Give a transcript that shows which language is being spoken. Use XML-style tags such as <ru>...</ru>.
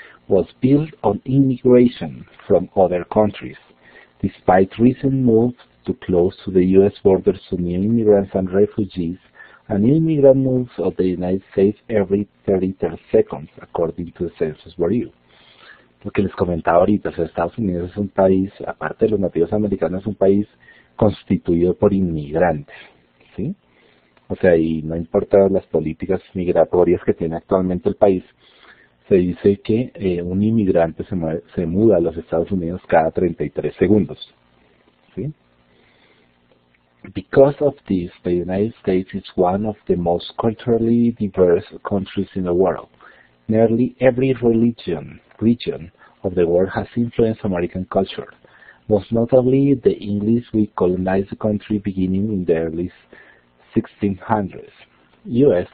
<en>was built on immigration from other countries. Despite recent moves to close to the U.S. border to new immigrants and refugees, a new immigrant moves of the United States every 33 seconds, according to the Census Bureau.</en> <es>Lo que les comentaba ahorita, Estados Unidos es un país, aparte de los nativos americanos, es un país constituido por inmigrantes, ¿sí? O sea, y no importa las políticas migratorias que tiene actualmente el país, se dice que un inmigrante se muda a los Estados Unidos cada 33 segundos, ¿sí?</es> <en>Because of this, the United States is one of the most culturally diverse countries in the world. Nearly every region of the world has influenced American culture. Most notably, the English recolonized the country beginning in the early 1600s. U.S.</en>